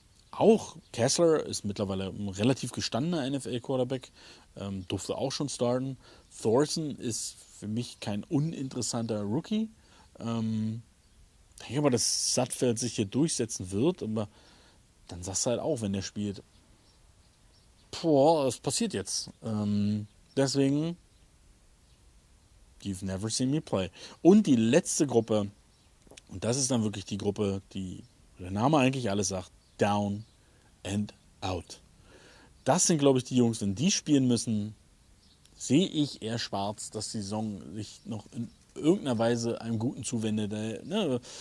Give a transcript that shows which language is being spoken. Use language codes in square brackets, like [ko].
[de] Auch Kessler ist mittlerweile ein relativ gestandener NFL-Quarterback, durfte auch schon starten. Thorson ist für mich kein uninteressanter Rookie. Denke mal, dass Sattfeld sich hier durchsetzen wird, aber dann sagst du halt auch, wenn der spielt. Boah, es passiert jetzt. Deswegen, [en] you've never seen me play. [de] Und die letzte Gruppe, und das ist dann wirklich die Gruppe, die der Name eigentlich alles sagt, Down and Out. Das sind, glaube ich, die Jungs, wenn die spielen müssen, sehe ich eher schwarz, dass die Saison sich noch in irgendeiner Weise einem Guten zuwendet. Ne?